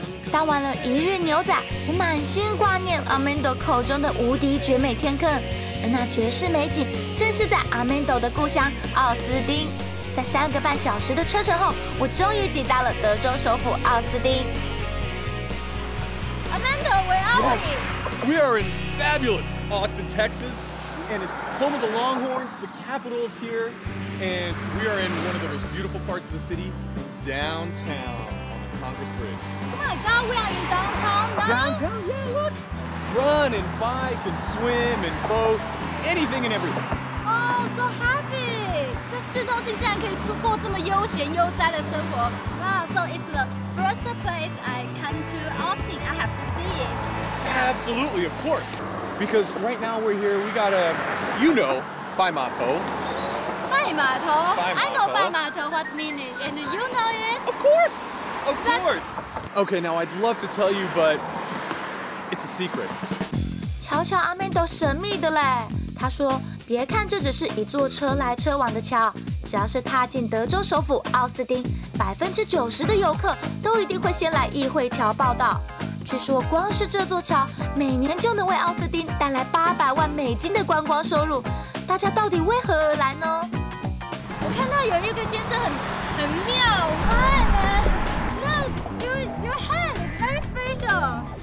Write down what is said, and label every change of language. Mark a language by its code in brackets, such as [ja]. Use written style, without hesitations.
[zh] 当完了一日牛仔，我满心挂念阿曼多口中的无敌绝美天坑，而那绝世美景正是在阿曼多的故乡奥斯丁。在3.5小时的车程后，我终于抵达了德州首府奥斯丁。 [en] 阿曼多 ，Where are we？ We are in fabulous Austin, Texas, and it's home of the Longhorns, the capital is here, and we are in one of the most beautiful parts of the city, downtown, on the Congress Bridge. Oh my god, we are in downtown now? Downtown? Yeah, look! Run and bike and swim and boat, anything and everything. Oh, so happy! This city can live such a relaxed, relaxed life. Wow, so it's the first place I come to Austin, I have to see it. Absolutely, of course. Because right now we're here, we got a, you know, Bai Ma Tou. Bai Ma Tou? I know Bai Ma Tou, what's meaning, and you know it. Of course, of course. Okay, now I'd love to tell you, but it's a secret. [zh] 瞧瞧阿曼多神秘的嘞。他说，别看这只是一座车来车往的桥，只要是踏进德州首府奥斯丁，90%的游客都一定会先来议会桥报道。据说光是这座桥每年就能为奥斯丁带来$800万的观光收入，大家到底为何而来呢？我看到有一个先生很妙。 [en] Hi man, look, your hand is very special.